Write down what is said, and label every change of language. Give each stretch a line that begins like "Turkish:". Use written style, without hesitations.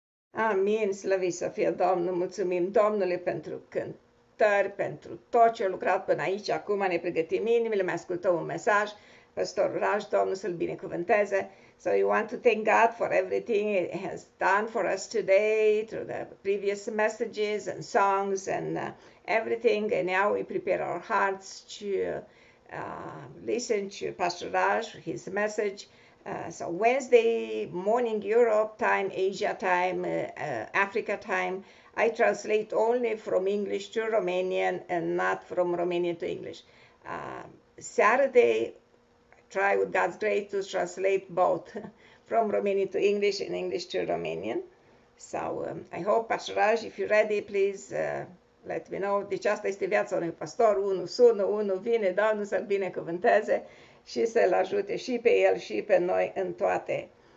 Romanian: Amin, slăvit să fie Domnul. Mulțumim Domnului pentru cântări, pentru tot ce a lucrat până aici. Acum ne pregătim inimile, mai ascultăm un mesaj. Pastor Raj, Domnul să-l binecuvânteze.
English: So we want to thank God for everything He has done for us today through the previous messages and songs and everything. And now we prepare our hearts to listen to Pastor Raj, his message. So Wednesday morning, Europe time, Asia time, Africa time, I translate only from English to Romanian and not from Romanian to English. Saturday, try with God's grace to translate both from Romanian to English and English to Romanian. So I hope, Pastor Raj, if you're ready, please let me know.
Romanian: Deci asta este viața unui pastor, unul sună, unul vine, Doamne să-l binecuvânteze și să-l ajute și pe el și pe noi în toate.